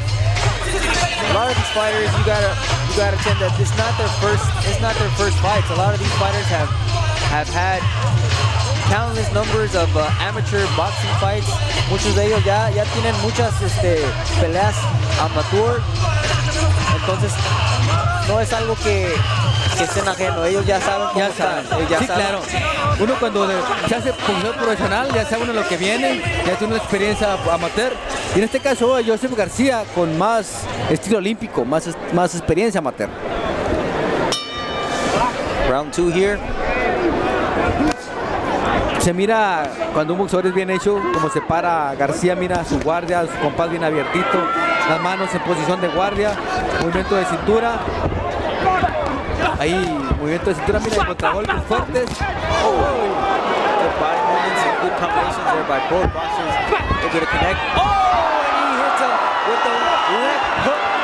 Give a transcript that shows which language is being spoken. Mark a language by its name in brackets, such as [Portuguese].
[English] A lot of these fighters, you gotta tend that it's not their first fights. A lot of these fighters have had countless numbers of amateur boxing fights. [Spanish] Muchos de ellos ya tienen muchas peleas amateur. Entonces no es algo que estén ajeno, ellos ya saben cómo están. Claro, uno cuando se hace jugador profesional ya sabe uno lo que viene, ya tiene una experiencia amateur, y en este caso Joseph García con más estilo olímpico, más experiencia amateur. [English] Round 2 here. [Spanish] Se mira cuando un boxeador es bien hecho, como se para García, mira su guardia, su compás bien abiertito, las manos en posición de guardia, movimiento de cintura. Ahí, movimiento de cintura, mira, contragolpes fuertes. [English] Good body movements and good combinations there by both boxers. They're going to connect. And he hits him with the left hook.